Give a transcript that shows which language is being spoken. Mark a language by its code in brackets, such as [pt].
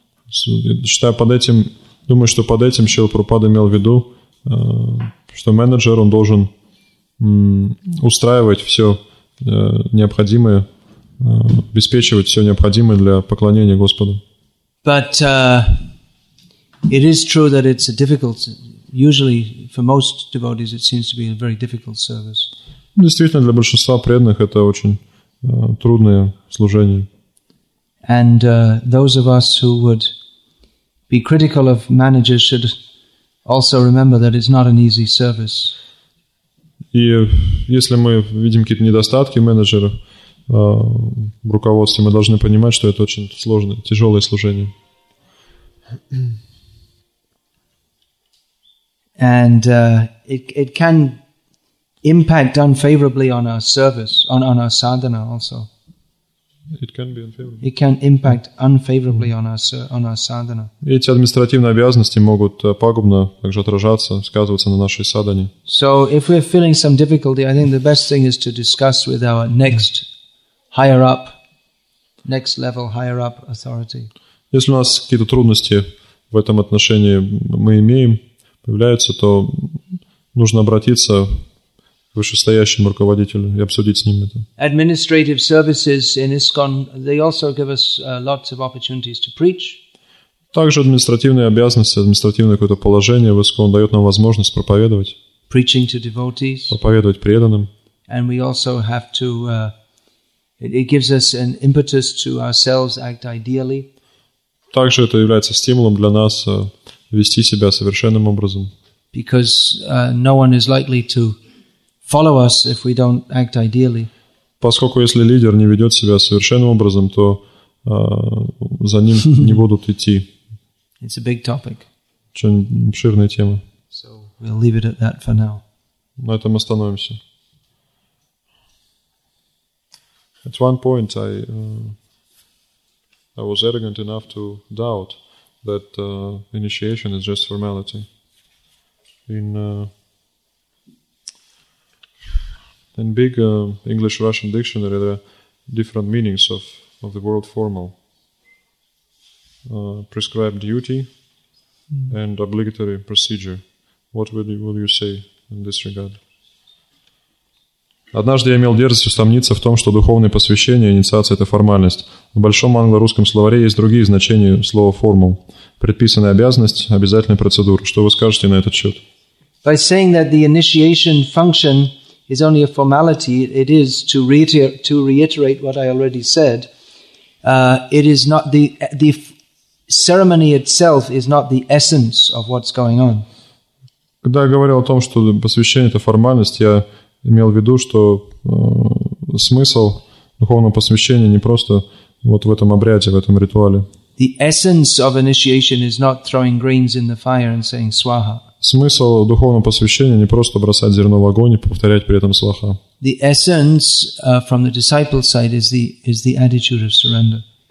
[ru] Считаю под этим, думаю, что под этим Шрила Прабхупада имел в виду, что менеджер, он должен устраивать все необходимое, обеспечивать все необходимое для поклонения Господу. [en] But it is true that it's a difficult, usually for most devotees, it seems to be a very difficult service. [ru] Действительно, для большинства преданных это очень трудное служение. [en] And those of us who would be critical of managers should also remember that it's not an easy service. [ru] И если мы видим какие-то недостатки менеджеров в руководстве, мы должны понимать, что это очень сложное, тяжелое служение. [en] And it can impact unfavorably on our service, on our sadhana also. It can be unfavorable. It can impact unfavorably on our sadhana. [ru] Эти административные обязанности могут пагубно также отражаться, сказываться на нашей садхане. [en] So if we're feeling some difficulty, I think the best thing is to discuss with our next higher up, next level higher up authority. [ru] Если у нас какие-то трудности в этом отношении мы имеем, появляются, то нужно обратиться к вышестоящему руководителю и обсудить с ним это. [en] Administrative services in ISKCON, they also give us lots of opportunities to preach. [ru] Также административные обязанности, административное какое-то положение в ISKCON дает нам возможность проповедовать. [en] Preaching to devotees. [ru] Проповедовать преданным. [en] And we also have to, it gives us an impetus to ourselves act ideally. [ru] Также это является стимулом для нас вести себя совершенным образом. [en] Because no one is likely to follow us if we don't act ideally. [ru] Поскольку если лидер не ведет себя совершенным образом, то за ним не будут идти. [en] It's a big topic. [ru] Очень обширная тема. [en] So we'll leave it at that for now. [ru] На этом остановимся. [en] At one point I was arrogant enough to doubt that initiation is just formality. In big English-Russian dictionary, there are different meanings of the word formal. Prescribed duty and obligatory procedure. What will you say in this regard? [ru] Однажды я имел дерзость усомниться в том, что духовное посвящение и инициация – это формальность. В большом англо-русском словаре есть другие значения слова «формул». Предписанная обязанность – обязательная процедура. Что вы скажете на этот счет? [en] By saying that the initiation function is only a formality, it is, to reiterate what I already said, it is not the ceremony itself is not the essence of what's going on. [ru] Когда я говорил о том, что посвящение – это формальность, я имел в виду, что смысл духовного посвящения не просто вот в этом обряде, в этом ритуале. [en] The essence of initiation is not throwing grains in the fire and saying swaha. [ru] Смысл духовного посвящения не просто бросать зерно в огонь и повторять при этом сваха. [en] The essence from the disciple's side is the attitude of surrender.